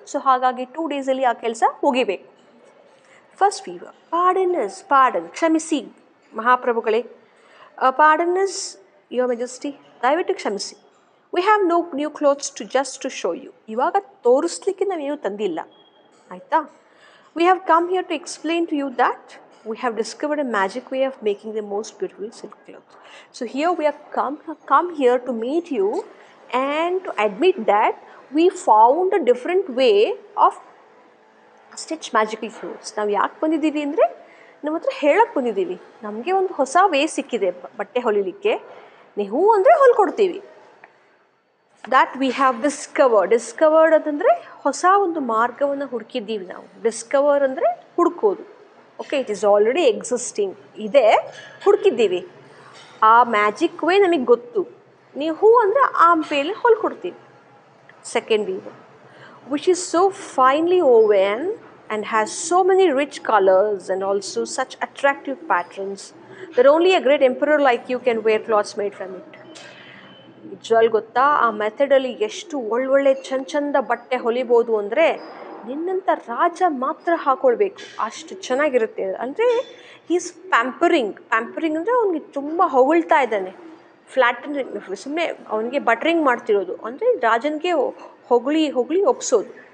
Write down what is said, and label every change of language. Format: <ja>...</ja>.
<kn>So ಹಾಗಾಗಿ two ಡೇಸಲ್ಲಿ ಆ ಕೆಲಸ ಮುಗಿಬೇಕು. ಫಸ್ಟ್ ವೀವ್ ಪಾರ್ಡನ್ಸ್, ಪಾರ್ಡನ್, ಕ್ಷಮಿಸಿ ಮಹಾಪ್ರಭುಗಳೇ,</kn> <en>pardons your majesty,</en> <kn>ದಯವಿಟ್ಟು ಕ್ಷಮಿಸಿ.</kn> <en>we have no new clothes to just to show you,</en> <kn>ಇವಾಗ ತೋರಿಸ್ಲಿಕ್ಕೆ ನಾವೇನು ತಂದಿಲ್ಲ, ಆಯಿತಾ.</kn> <en>We have come here to explain to you that we have discovered a magic way of making the most beautiful silk clothes. So here we have come here to meet you and to admit that we found a different way of stitch magical clothes.</en> <kn>Now yak bandidivi andre ನಮ್ಮ ಹತ್ರ ಹೇಳಕ್ಕೆ ಬಂದಿದ್ದೀವಿ, ನಮಗೆ ಒಂದು ಹೊಸ way ಸಿಕ್ಕಿದೆ ಬಟ್ಟೆ ಹೊಲಿಲಿಕ್ಕೆ. ನೀವು ಅಂದರೆ ಹೊಲ್ಕೊಡ್ತೀವಿ.</kn> <en>that we have discovered</en> <kn>ಅಂತಂದರೆ ಹೊಸ ಒಂದು ಮಾರ್ಗವನ್ನು ಹುಡುಕಿದ್ದೀವಿ ನಾವು. ಡಿಸ್ಕವರ್ ಅಂದರೆ ಹುಡುಕೋದು, okay,</kn> <en>it is already existing,</en> <kn>ಇದೆ, ಹುಡುಕಿದ್ದೀವಿ. ಆ ಮ್ಯಾಜಿಕ್ ವೇ ನಮಗೆ ಗೊತ್ತು. ನೀವು ಅಂದರೆ ಆ ಮೇಲೆ ಹೊಲ್ಕೊಡ್ತೀವಿ.</kn> <en>Second weave, which is so finely woven and has so many rich colors and also such attractive patterns that only a great emperor like you can wear clothes made from it.</en> <kn>Jal ಗೊತ್ತಾ ಆ ಮೆಥಡಲ್ಲಿ ಎಷ್ಟು ಒಳ್ಳೊಳ್ಳೆ ಚಂದ ಚಂದ ಬಟ್ಟೆ ಹೊಲಿಬೋದು ಅಂದರೆ ನಿನ್ನಂಥ ರಾಜ ಮಾತ್ರ ಹಾಕೊಳ್ಬೇಕು, ಅಷ್ಟು ಚೆನ್ನಾಗಿರುತ್ತೆ ಅಂದರೆ</kn> <en>Is pampering.</en> <kn>ಪ್ಯಾಂಪರಿಂಗ್ ಅಂದರೆ ಅವನಿಗೆ ತುಂಬ ಹೊಗಳ್ತಾ ಇದ್ದಾನೆ, ಫ್ಲ್ಯಾಟನ್, ಸುಮ್ಮನೆ ಅವನಿಗೆ ಬಟ್ರಿಂಗ್ ಮಾಡ್ತಿರೋದು ಅಂದರೆ ರಾಜನಿಗೆ ಹೊಗಳಿ ಹೊಗಳಿ ಒಪ್ಸೋದು.</kn>